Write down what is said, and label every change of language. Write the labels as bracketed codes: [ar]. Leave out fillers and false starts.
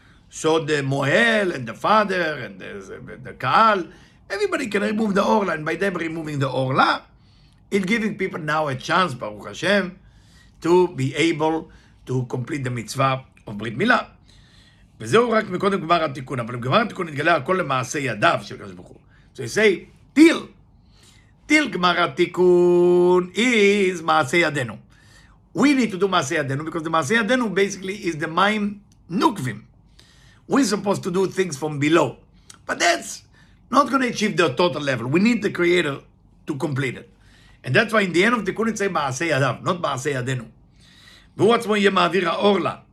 [en] So the Mohel and the father and the Kaal, everybody can remove the orla, and by them removing the orla, it's giving people now a chance, Baruch Hashem, to be able to complete the mitzvah of Brit Milah. [he] וזהו רק מקודם גמר התיקון, אבל גמר התיקון התגלה הכל למעשה ידיו של קדוש ברוך הוא. [en] So he say, till גמר התיקון is מעשה ידינו. We need to do מעשה ידינו, because the מעשה ידינו basically is the מים נוקבים. We're supposed to do things from below. But that's not going to achieve the total level. We need the creator to complete it. And that's why in the end of the תיקון it say מעשה ידיו, not מעשה ידינו. [he] והוא עצמו יהיה מעביר האורלה.